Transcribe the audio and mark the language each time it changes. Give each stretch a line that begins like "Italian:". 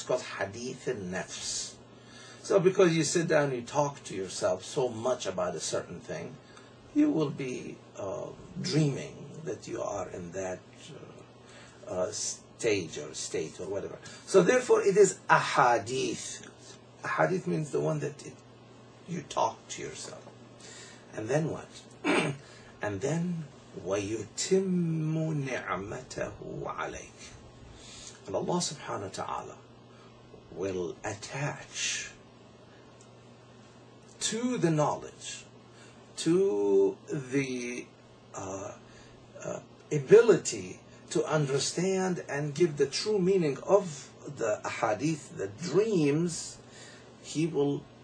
English: It's called hadith al-nafs. So because you sit down, you talk to yourself so much about a certain thing, you will be dreaming that you are in that stage or state or whatever. So therefore, it is a hadith. A hadith means the one that you talk to yourself. And then what? And then,
Arabic: وَيُتِمُّ نِعْمَتَهُ عَلَيْكَ.
English: And Allah subhanahu wa ta'ala will attach to the knowledge, to the ability to understand and give the true meaning of the ahadith, the dreams, He will